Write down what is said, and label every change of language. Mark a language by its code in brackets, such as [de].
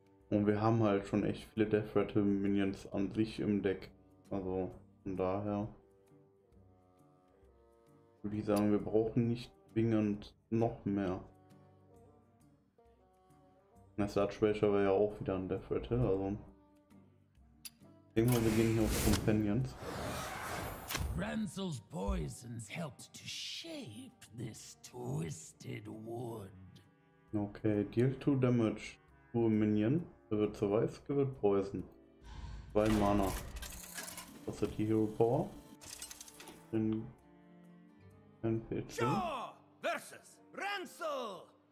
[de] Und wir haben halt schon echt viele Death Rattle Minions an sich im Deck. Also von daher würde ich sagen, wir brauchen nicht zwingend noch mehr. Der Sludge-Bashar wäre ja auch wieder ein Death Rattle, also. Irgendwann beginnen hier auf Companions. [en] Ransel's Poisons helped to shape this twisted wood. [de] Okay, [en] deal 2 damage to a Minion. [de] Er wird zu weiß, er wird poison. 2 Mana. Was hat die Hero Power? Ein PC. Versus Ransel!